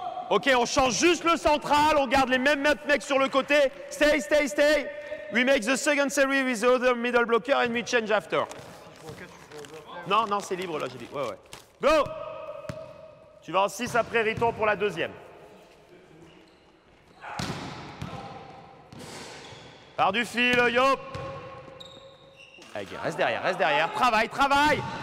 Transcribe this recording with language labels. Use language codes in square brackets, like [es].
[fr] Ok, on change juste le central, on garde les mêmes mecs sur le côté. [en] Stay. We make the second series with the other middle blocker and we change after. [fr] Non, non, c'est libre là, j'ai dit. Ouais. Go! Tu vas en 6 après Riton pour la deuxième. Par du fil, yo! Allez, reste derrière. Travaille!